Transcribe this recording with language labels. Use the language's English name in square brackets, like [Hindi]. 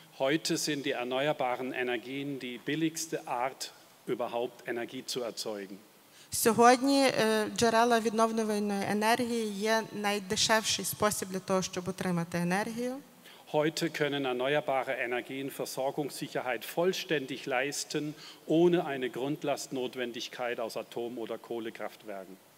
[German] Heute sind die erneuerbaren Energien die billigste Art überhaupt Energie zu erzeugen. [Ukrainian] Сьогодні джерела відновлювальної енергії є найдешевший спосіб для того, щоб отримати енергію. [German] Heute können erneuerbare Energien Versorgungssicherheit vollständig leisten, ohne eine Grundlastnotwendigkeit aus Atom- oder Kohlekraftwerken.